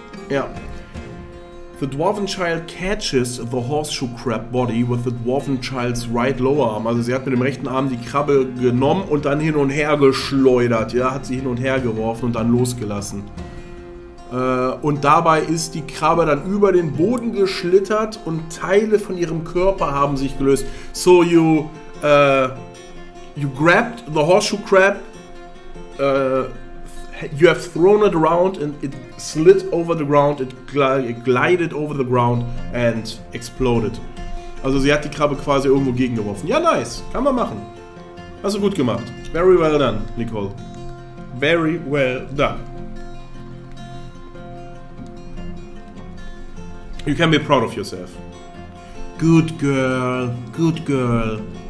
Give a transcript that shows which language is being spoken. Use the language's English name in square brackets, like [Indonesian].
[English] Ja. The Dwarven Child catches the Horseshoe Crab body with the Dwarven Child's right lower arm. [German] Also sie hat mit dem rechten Arm die Krabbe genommen und dann hin und her geschleudert. Ja, hat sie hin und her geworfen und dann losgelassen. Und dabei ist die Krabbe dann über den Boden geschlittert und Teile von ihrem Körper haben sich gelöst. [English] So you grabbed the horseshoe crab, you have thrown it around and it slid over the ground, it glided over the ground and exploded. [German] Also sie hat die Krabbe quasi irgendwo gegengeworfen. Ja, nice, kann man machen. Hast du gut gemacht. [English] Very well done, Nicole. Very well done. You can be proud of yourself. Good girl, good girl.